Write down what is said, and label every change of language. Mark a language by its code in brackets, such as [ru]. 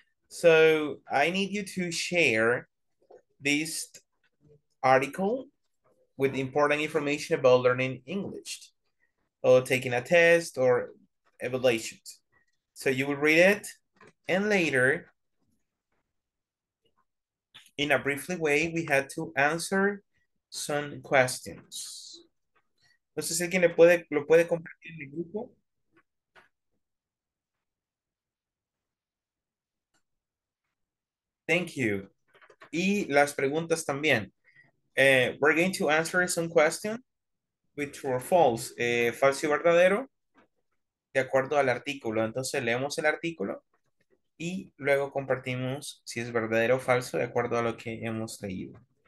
[en] So I need you to share this article with important information about learning English or taking a test or evaluations. So you will read it, and later, in a briefly way, we had to answer some questions. [es] No sé si alguien lo puede compartir en el grupo. [en] Thank you. [es] Y las preguntas también. [en] We're going to answer some questions with true or false. [es] Falso y verdadero, de acuerdo al artículo. Entonces leemos el artículo y luego compartimos si es verdadero o falso de acuerdo a lo que hemos leído.